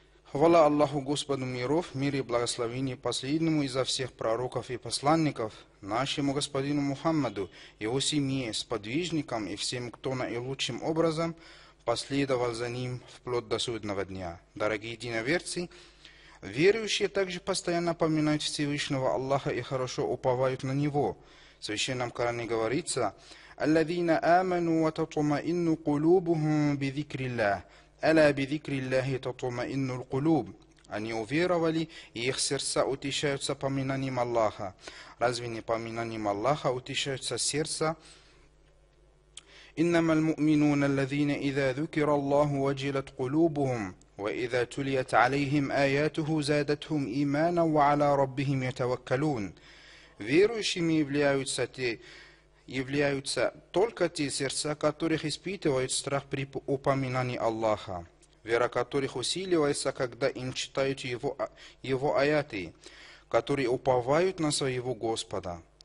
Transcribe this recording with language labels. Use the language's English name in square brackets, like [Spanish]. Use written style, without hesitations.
[Russian] Хвала Аллаху, Господу миров, мир и благословение последнему изо всех пророков и посланников, нашему Господину Мухаммаду, его семье, сподвижникам и всем, кто наилучшим образом последовал за ним вплоть до судного дня. Дорогие единоверцы, верующие также постоянно поминают Всевышнего Аллаха и хорошо уповают на Него. [Arabic] В Священном Коране говорится: الذين آمنوا وتطمئن قلوبهم بذكر الله ألا بذكر الله تطمئن القلوب أني [Russian] уверовали и их сердца утешаются поминанием Аллаха. Разве не поминанием Аллаха утешаются сердца? [Arabic] إنما المؤمنون الذين إذا ذكر الله وجلت قلوبهم وإذا تليت عليهم آياته زادتهم إيمانا وعلى ربهم يتوكلون. [Russian] Верующими являются те, являются только те сердца, которых испытывают страх при упоминании Аллаха, вера которых усиливается, когда им читают его аяты, которые уповают на своего Господа.